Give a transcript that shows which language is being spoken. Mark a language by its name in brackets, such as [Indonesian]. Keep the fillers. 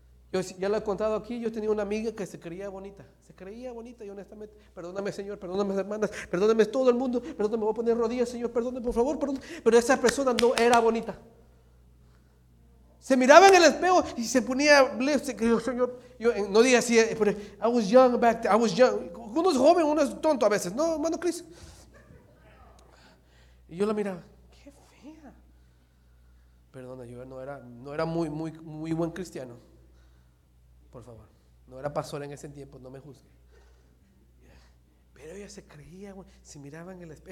[Spanish] Yo si- ya lo he contado aquí, yo tenía una amiga que se creía bonita, se creía bonita y honestamente, perdóname Señor, perdóname hermanas, perdóname todo el mundo, perdóname, voy a poner rodillas Señor, perdóname por favor, perdón, pero esa persona no era bonita. Se miraba en el espejo y se ponía lipstick. Y yo, señor, yo eh, no diga así, eh, pero [English] I was young back then, I was young. [Spanish] Uno es joven, uno es tonto a veces, ¿no, hermano Chris? Y yo la miraba, qué fea. Perdona, yo no era, no era muy, muy, muy buen cristiano. Por favor, no era pastor en ese tiempo, no me juzgue. Pero ella se creía, güey, se miraba en el espejo.